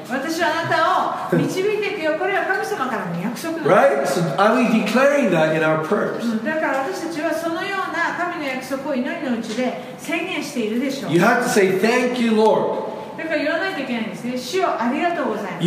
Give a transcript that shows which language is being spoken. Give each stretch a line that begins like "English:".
Japanese: 私はあなたを導いていくよ。これは神様からの約束なんです。
English: Right? So are we declaring that in our prayers?
Japanese: だから私たちはそのような神の約束を祈りのうちで宣言しているでしょう。
English: You have to say thank you, Lord.
Japanese: だから言わないといけないんですね。主よ、ありがとうございます。